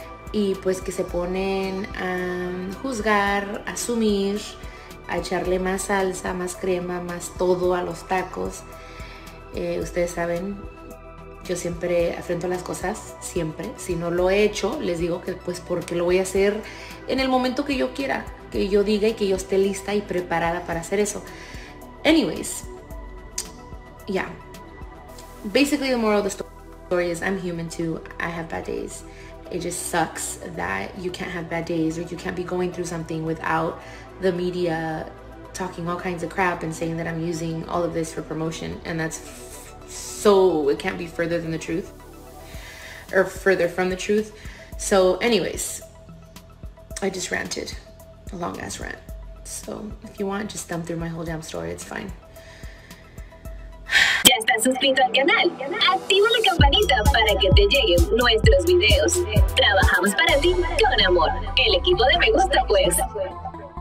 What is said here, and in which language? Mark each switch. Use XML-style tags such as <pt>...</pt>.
<es>Y pues que se ponen a juzgar, a asumir, a echarle más salsa, más crema, más todo a los tacos. Ustedes saben, yo siempre afrento las cosas, siempre. Si no lo he hecho, les digo que pues porque lo voy a hacer en el momento que yo quiera, que yo diga y que yo esté lista y preparada para hacer eso.</es> <en>Anyways. Yeah, basically the moral of the story is I'm human too, I have bad days. It just sucks that you can't have bad days or you can't be going through something without the media talking all kinds of crap and saying that I'm using all of this for promotion, and that's so, it can't be further than the truth or further from the truth. So anyways, I just ranted a long ass rant. So if you want, just thumb through my whole damn story, it's fine.</en> <es>¿Ya estás suscrito al canal? Activa la campanita para que te lleguen nuestros videos. Trabajamos para ti con amor. El equipo de Me Gusta, pues.</es>